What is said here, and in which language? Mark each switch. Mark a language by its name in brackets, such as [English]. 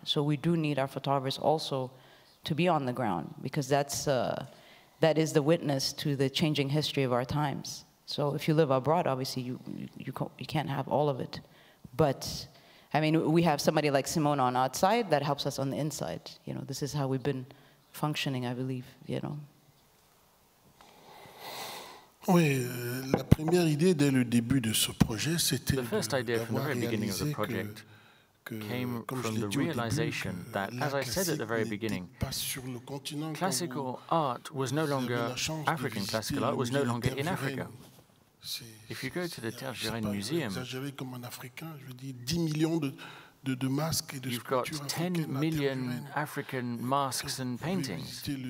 [English] So we do need our photographers also to be on the ground because that's that is the witness to the changing history of our times. So if you live abroad, obviously you can't have all of it. But I mean, we have somebody like Simone on outside that helps us on the inside. You know, this is how we've been functioning, I believe, you know. [French] Oui, la première idée dès le début de ce projet, c'était [English] the first idea from the very beginning of the project came from the realization that, as I said at the very beginning, classical art was no longer African. Classical art was no longer in Africa. If you go to the Tergirene Museum, you've got 10 million African masks and paintings.